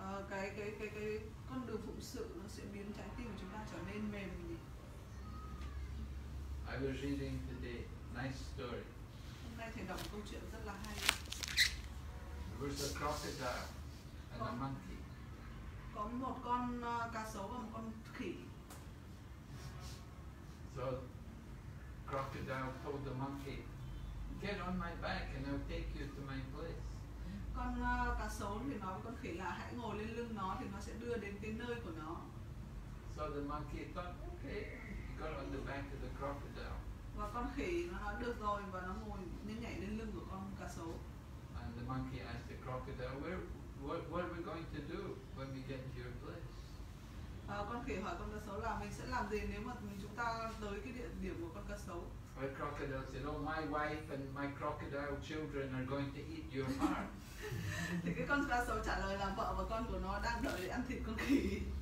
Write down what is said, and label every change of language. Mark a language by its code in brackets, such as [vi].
[vi] Cái con đường phụng sự nó sẽ biến trái tim của chúng ta trở nên mềm đi. [en] I was reading today nice story. [vi] Hôm nay thầy đọc một câu chuyện rất là hay. [en] There was a crocodile and a monkey. [vi] Có một con cá sấu và một con khỉ. [en] So crocodile told the monkey, "Get on my back and I'll take you to my place." [vi] Con cá sấu thì nói với con khỉ là hãy ngồi lên lưng nó thì nó sẽ đưa đến cái nơi của nó. [en] So the monkey thought, okay, he got on the back of the crocodile. [vi] Và con khỉ nó nói được rồi và nó ngồi nên nhảy lên lưng của con cá sấu. [en] And the monkey asked the crocodile, what are we going to do when we get to your place? [vi] Con khỉ hỏi con cá sấu là mình sẽ làm gì nếu mà chúng ta tới cái địa điểm của con cá sấu? [en] My crocodile said, "Oh, my wife and my crocodile children are going to eat your heart." [vi] Thì cái con cá sấu trả lời là vợ và con của nó đang đợi ăn thịt con khỉ.